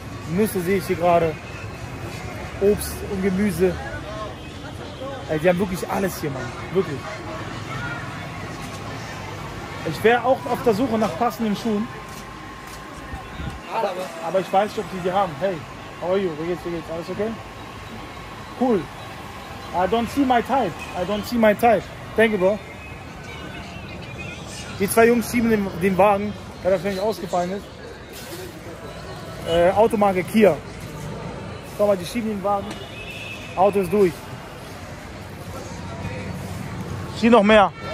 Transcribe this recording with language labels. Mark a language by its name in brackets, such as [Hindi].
[German] Nüsse sehe ich hier gerade. Obst und Gemüse. Ey, die haben wirklich alles hier, Mann. Wirklich. Ich wäre auch auf der Suche nach passenden Schuhen. Aber ich weiß nicht, ob die die haben. [English] Hey, how are you? [German] Wie geht's? Alles okay? [English] Cool. I don't see my type. [German] Danke, Bro. Die zwei Jungs schieben den Wagen, der wahrscheinlich ausgefallen ist. Automarke Kia. Schau mal, die schieben den Wagen. Auto ist durch. Schieb noch mehr.